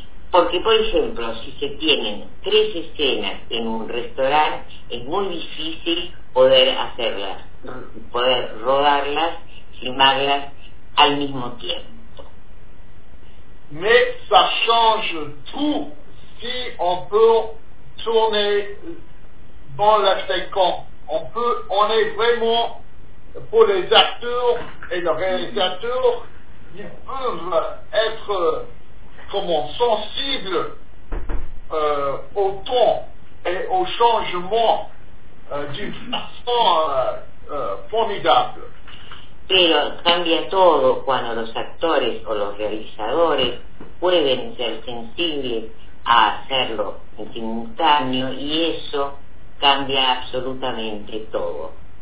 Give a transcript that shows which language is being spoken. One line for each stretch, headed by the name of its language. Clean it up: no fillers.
Spanish: Porque, por ejemplo, si se tienen tres escenas en un restaurante, es muy difícil poder hacerlas, poder rodarlas, filmarlas al mismo tiempo.
French: Mais ça change tout si on peut tourner dans la séquence. On est vraiment, pour les acteurs et les réalisateurs, ils peuvent être... comment sensible au temps et au changement d'une façon formidable.
Spanish: Pero cambia todo cuando los actores o los realizadores pueden ser sensibles a hacerlo en simultáneo y eso cambia absolutamente todo.